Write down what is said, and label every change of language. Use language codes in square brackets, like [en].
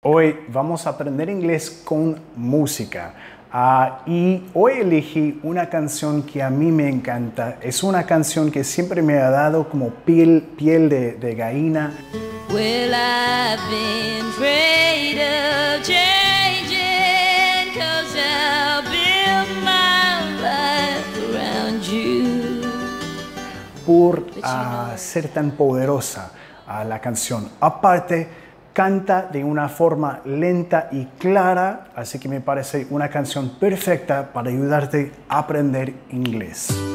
[es] Hoy vamos a aprender inglés con música. Y hoy elegí una canción que a mí me encanta. Es una canción que siempre me ha dado como piel de gallina. [en] Well, I've been afraid of changing, 'cause I'll build my life around you. [es] Por ser tan poderosa a la canción. Aparte, canta de una forma lenta y clara, así que me parece una canción perfecta para ayudarte a aprender inglés.